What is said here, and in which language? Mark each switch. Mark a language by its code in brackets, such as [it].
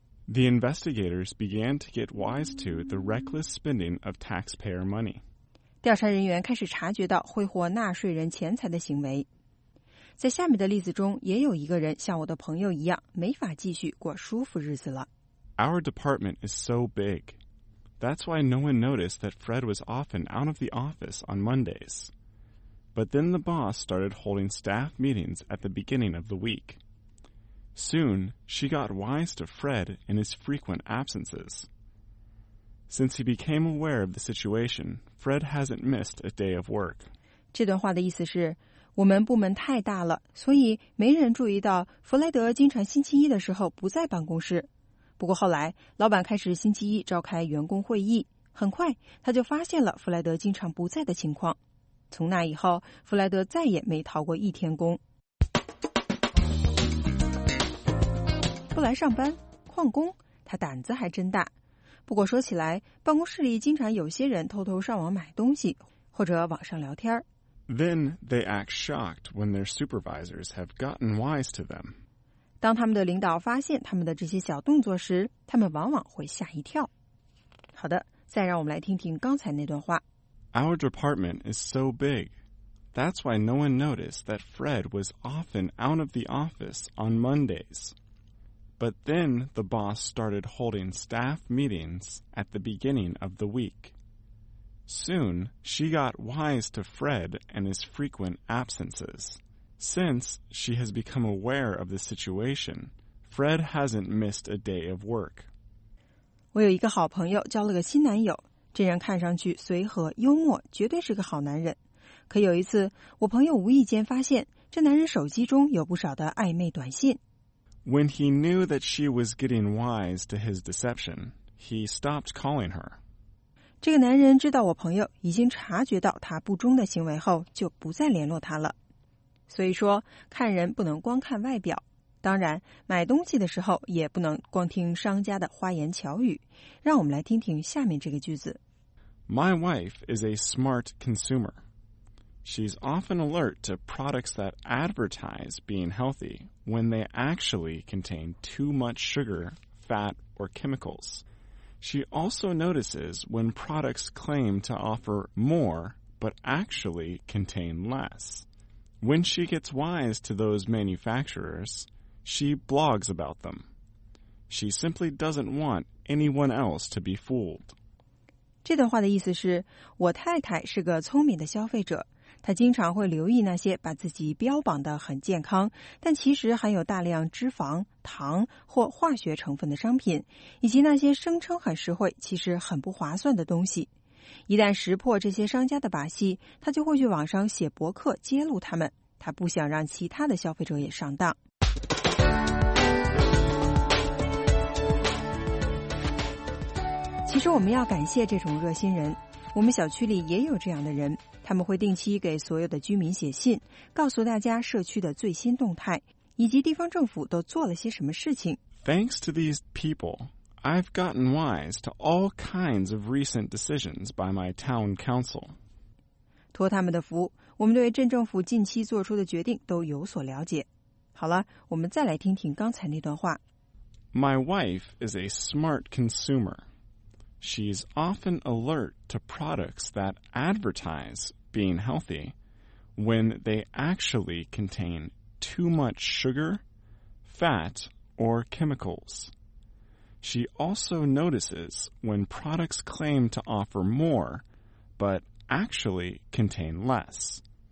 [en] The investigators began to get wise to the reckless spending of taxpayer money. [zh] 调查人员开始察觉到挥霍纳税人钱财的行为。在下面的例子中，也有一个人像我的朋友一样，没法继续过舒服日子了。 [en] Our department is so big. That's why no one noticed that Fred was often out of the office on Mondays. But then the boss started holding staff meetings at the beginning of the week. Soon, she got wise to Fred and his frequent absences. Since he became aware of the situation, Fred hasn't missed a day of work. [zh] 这段话的意思是，我们部门太大了，所以没人注意到弗雷德经常星期一的时候不在办公室。不过后来，老板开始星期一召开员工会议，很快他就发现了弗雷德经常不在的情况。从那以后，弗雷德再也没逃过一天工。不来上班，旷工，他胆子还真大。不过说起来，办公室里经常有些人偷偷上网买东西，或者网上聊天。 [en] Then they act shocked when their supervisors have gotten wise to them. [zh] 当他们的领导发现他们的这些小动作时，他们往往会吓一跳。好的，再让我们来听听刚才那段话。 [en] Our department is so big. That's why no one noticed that Fred was often out of the office on Mondays. But then the boss started holding staff meetings at the beginning of the week. Soon, she got wise to Fred and his frequent absences. Since she has become aware of the situation, Fred hasn't missed a day of work. [zh] 我有一个好朋友交了个新男友，这人看上去随和幽默，绝对是个好男人。可有一次，我朋友无意间发现这男人手机中有不少的暧昧短信。 [en] When he knew that she was getting wise to his deception, he stopped calling her. [zh] 这个男人知道我朋友已经察觉到他不忠的行为后，就不再联络他了。所以说，看人不能光看外表。当然，买东西的时候也不能光听商家的花言巧语。让我们来听听下面这个句子。 [en] My wife is a smart consumer. She's often alert to products that advertise being healthy. When they actually contain too much sugar, fat, or chemicals. She also notices when products claim to offer more, but actually contain less. When she gets wise to those manufacturers, she blogs about them. She simply doesn't want anyone else to be fooled. [zh] 这段话的意思是，我太太是个聪明的消费者。他经常会留意那些把自己标榜得很健康，但其实含有大量脂肪、糖或化学成分的商品，以及那些声称很实惠，其实很不划算的东西。一旦识破这些商家的把戏，他就会去网上写博客揭露他们。他不想让其他的消费者也上当。其实我们要感谢这种热心人，我们小区里也有这样的人，他们会定期给所有的居民写信，告诉大家社区的最新动态，以及地方政府都做了些什么事情。 [en] Thanks to these people, I've gotten wise to all kinds of recent decisions by my town council. [zh] 托他们的福，我们对镇政府近期做出的决定都有所了解。好了，我们再来听听刚才那段话。 [en] My wife is a smart consumer. She's often alert to products that advertise being healthy when they actually contain too much sugar, fat, or chemicals. She also notices when products claim to offer more, but actually contain less.